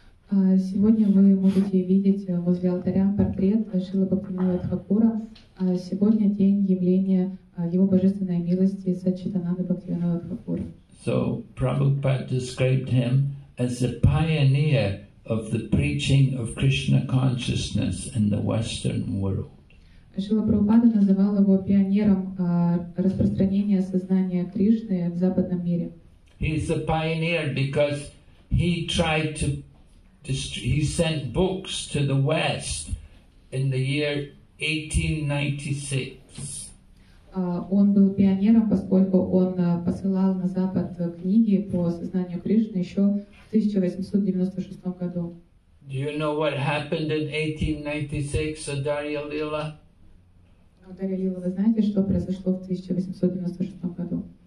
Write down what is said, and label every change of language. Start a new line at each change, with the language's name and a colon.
Russian: Сегодня вы можете видеть возле алтаря портрет Шрилы Бхактивинода Тхакура. Сегодня день явления Его Божественной Милости Сачитананды Бхактивинода Тхакура.
English: So Prabhupada described him as the pioneer of the preaching of Krishna consciousness in the Western world.
Russian: Шрила Прабхупада называл его пионером распространения сознания Кришны в западном мире.
English: He's a pioneer because he sent books to the West in the year 1896.
Russian: Он был пионером, поскольку он посылал на Запад книги по сознанию Кришны еще в 1896 году.
English: Do you know what happened in 1896, Адарья-лила?
Russian: Адарья-лила, вы знаете, что произошло в 1896 году?